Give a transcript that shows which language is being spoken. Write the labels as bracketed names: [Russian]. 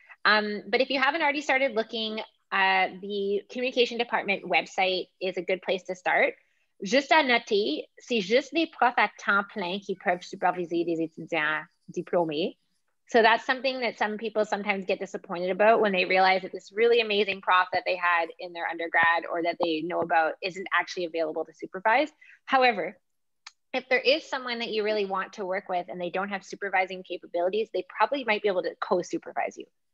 [English] But if you haven't already started looking, the communication department website is a good place to start. [French] Juste à noter, c'est juste des profs à temps plein qui peuvent superviser des étudiants diplômés. [English] So that's something that some people sometimes get disappointed about when they realize that this really amazing prof that they had in their undergrad or that they know about isn't actually available to supervise. However, if there is someone that you really want to work with and they don't have supervising capabilities, they probably might be able to co-supervise you.